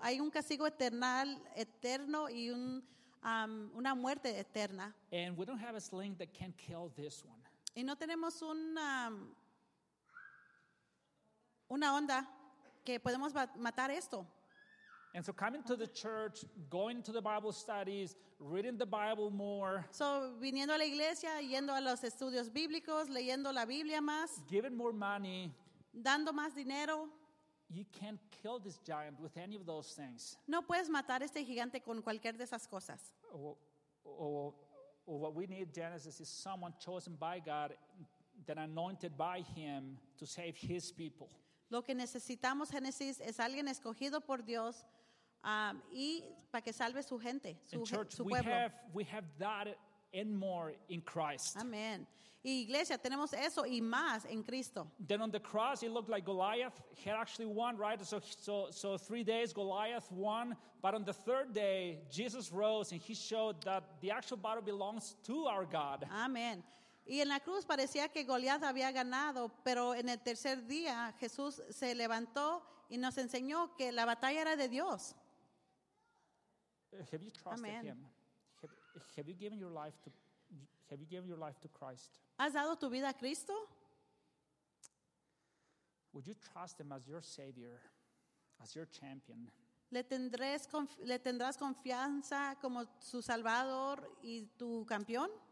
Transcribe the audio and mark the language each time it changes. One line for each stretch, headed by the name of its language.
Spanish: Hay un castigo eterno y una muerte eterna.
English: And we don't have a sling that can kill this one.
Spanish: Y no tenemos una onda que podemos matar esto.
English: And so coming to the church, going to the Bible studies, reading the Bible more.
Spanish: So viniendo a la iglesia, yendo a los estudios bíblicos, leyendo la Biblia más.
English: Giving more money.
Spanish: Dando más dinero.
English: You can't kill this giant with any of those things.
Spanish: No puedes matar este gigante con cualquier de esas cosas.
English: Well, what we need, Genesis, is someone chosen by God, then anointed by Him to save His people.
Spanish: Lo que necesitamos, Genesis, es alguien escogido por Dios y para que salve su gente, su pueblo.
English: We have that and more in Christ. Amen.
Spanish: Y iglesia, tenemos eso y más en Cristo.
English: Then on the cross, it looked like Goliath had actually won, right? So 3 days, Goliath won. But on the third day, Jesus rose and he showed that the actual battle belongs to our God. Amen.
Spanish: Y en la cruz parecía que Goliath había ganado, pero en el tercer día, Jesús se levantó y nos enseñó que la batalla era de Dios.
English: Have you trusted Amen. Him? Have you given your life to Have you given your life to Christ?
Spanish: ¿Has dado tu vida a Cristo?
English: Would you trust Him as your Savior, as your champion?
Spanish: ¿Le tendrás confianza como su Salvador y tu campeón?